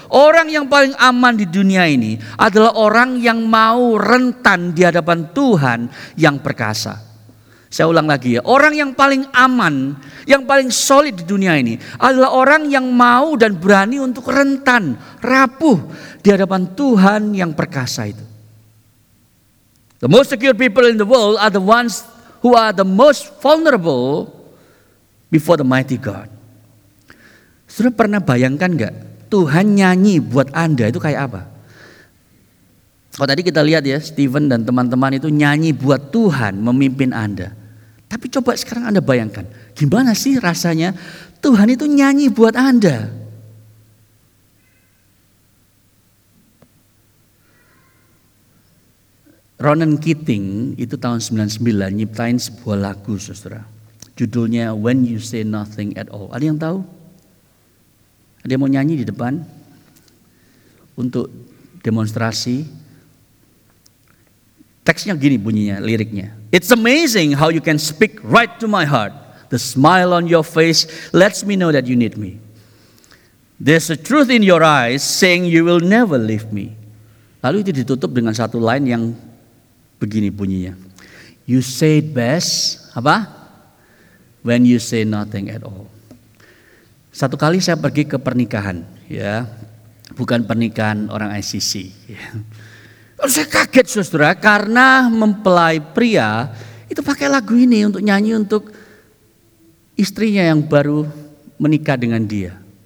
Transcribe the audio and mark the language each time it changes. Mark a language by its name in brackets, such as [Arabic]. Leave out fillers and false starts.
[Indonesian] Orang yang paling aman di dunia ini adalah orang yang mau rentan di hadapan Tuhan yang perkasa. Saya ulang lagi ya, orang yang paling aman, yang paling solid di dunia ini adalah orang yang mau dan berani untuk rentan, rapuh di hadapan Tuhan yang perkasa itu. [English] The most secure people in the world are the ones who are the most vulnerable before the mighty God. [Indonesian] Sudah pernah bayangkan gak Tuhan nyanyi buat Anda itu kayak apa? Kalau tadi kita lihat ya, Stephen dan teman-teman itu nyanyi buat Tuhan memimpin Anda. Tapi coba sekarang Anda bayangkan, gimana sih rasanya Tuhan itu nyanyi buat Anda? Ronan Keating itu tahun 99 nyiptain sebuah lagu, saudara. Judulnya When You Say Nothing At All. Ada yang tahu? Ada yang mau nyanyi di depan untuk demonstrasi? Teksnya gini bunyinya, liriknya. [English] It's amazing how you can speak right to my heart. The smile on your face lets me know that you need me. There's a truth in your eyes saying you will never leave me. [Indonesian] Lalu itu ditutup dengan satu line yang begini bunyinya. [English] You say it best, apa? When you say nothing at all. [Indonesian] Satu kali saya pergi ke pernikahan, ya. Bukan pernikahan orang ICC, ya. Saya kaget, saudara, karena mempelai pria itu pakai lagu ini untuk nyanyi untuk istrinya yang baru menikah dengan dia.